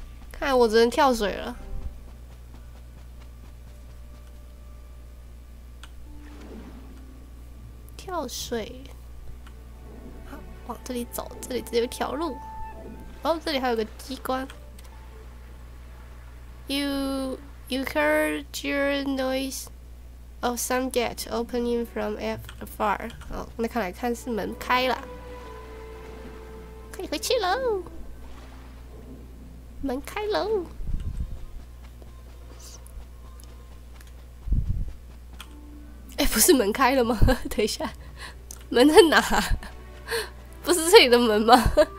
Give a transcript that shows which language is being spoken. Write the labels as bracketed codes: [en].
[zh] 看来我只能跳水了。跳水，好，往这里走，这里只有一条路。哦，这里还有个机关。 [en] You heard your noise of some gate opening from afar. [zh] 好，那看来看是门开了，可以回去喽。门开喽。不是门开了吗？等一下，门在哪？不是这里的门吗？